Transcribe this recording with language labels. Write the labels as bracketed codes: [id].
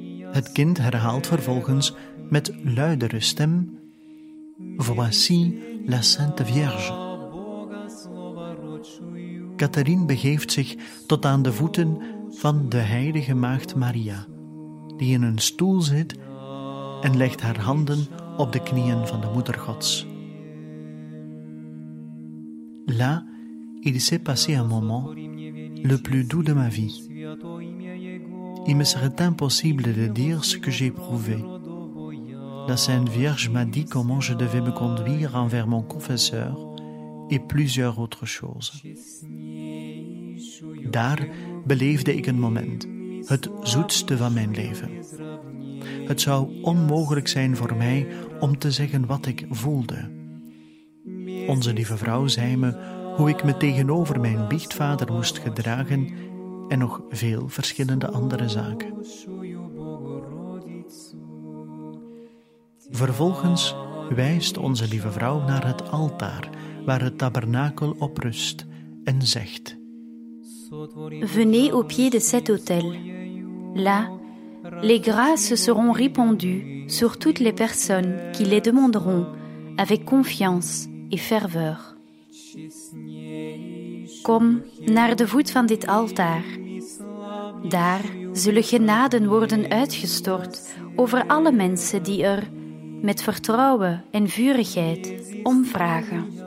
[nl] Het kind herhaalt vervolgens met luidere stem: [fr] Voici la Sainte Vierge. [nl] Catherine begeeft zich tot aan de voeten van de heilige maagd Maria, die in een stoel zit en legt haar handen op de knieën van de moeder gods. [fr] Là, il s'est passé un moment le plus doux de ma vie. Il me serait impossible de dire ce que j'ai éprouvé. La Sainte Vierge m'a dit comment je devais me conduire envers mon confesseur et plusieurs autres choses. [nl] Daar beleefde ik een moment, het zoetste van mijn leven. Het zou onmogelijk zijn voor mij om te zeggen wat ik voelde. Onze lieve vrouw zei me hoe ik me tegenover mijn biechtvader moest gedragen en nog veel verschillende andere zaken. Vervolgens wijst onze lieve vrouw naar het altaar waar het tabernakel op rust en zegt: [fr] Venez au pied de cet autel. Là, les grâces seront répandues sur toutes les personnes qui les demanderont avec confiance et ferveur. [nl] Kom naar de voet van dit altaar. Daar zullen genaden worden uitgestort over alle mensen die er met vertrouwen en vurigheid om vragen.